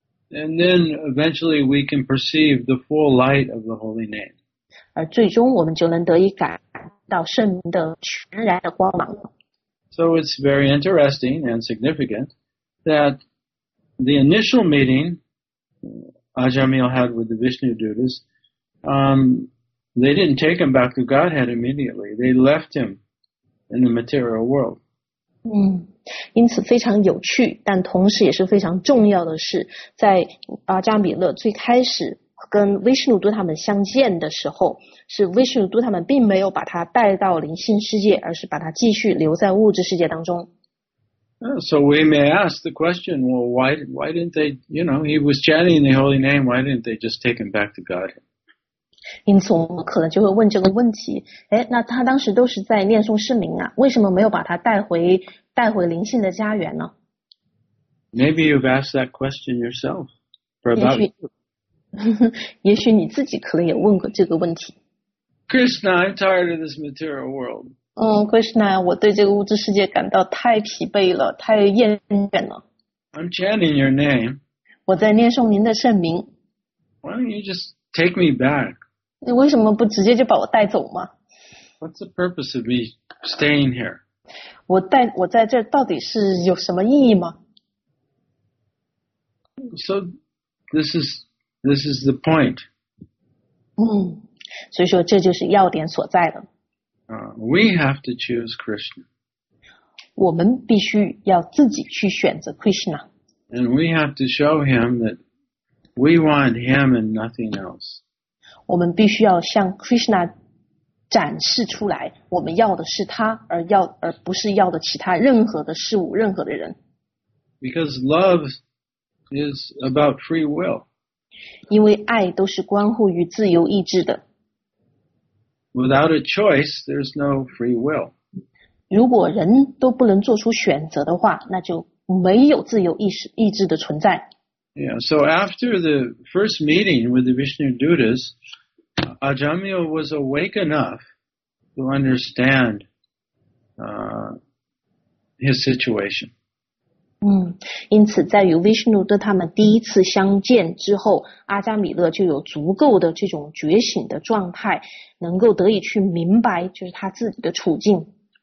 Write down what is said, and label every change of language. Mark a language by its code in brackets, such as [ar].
[en] And then eventually we can perceive the full light of the holy name. [zh] 而最终我们就能得以感到圣名的全然的光芒。 [en] So it's very interesting and significant that the initial meeting Ajamil had with the Vishnu Dutas, they didn't take him back to Godhead immediately. They left him in the material world. [zh] 因此非常有趣，但同时也是非常重要的是，在阿扎米勒最开始跟维什努都他们相见的时候，是维什努都他们并没有把他带到灵性世界，而是把他继续留在物质世界当中。 [en] So we may ask the question, well, why didn't they, you know, he was chanting the holy name, why didn't they just take him back to God? [zh] 因此我们可能就会问这个问题，诶，那他当时都是在念诵圣名啊，为什么没有把他带回灵性的家园呢？ [en] Maybe you've asked that question yourself for about... [zh] 也许你自己可能也问过这个问题。 [en] Krishna, I'm tired of this material world. [zh] Krishna, 我对这个物质世界感到太疲惫了，太厌倦了。 [en] I'm chanting your name. [zh] 我在念诵您的圣名。 [en] Why don't you just take me back? [zh] 你为什么不直接就把我带走吗？ [en] What's the purpose of me staying here? [zh] 我在这到底是有什么意义吗？ [en] So, this is the point. [zh] 所以说这就是要点所在的。 [en] We have to choose Krishna. [zh] 我们必须要自己去选择 Krishna. [en] And we have to show him that we want him and nothing else. [zh] 我们必须要向 Krishna 展示出来，我们要的是他，而不是要的其他任何的事物，任何的人。 [en] Because love is about free will. [zh] 因为爱都是关乎于自由意志的。 [en] Without a choice, there's no free will. [zh] 如果人都不能做出选择的话，那就没有自由意志的存在。 [en] Yeah, so after the first meeting with the Vishnu Dutas, Ajamil was awake enough to understand his situation. [zh] 因此在与 Vishnu 的他们第一次相见之后，阿扎米勒就有足够的这种觉醒的状态，能够得以去明白就是他自己的处境。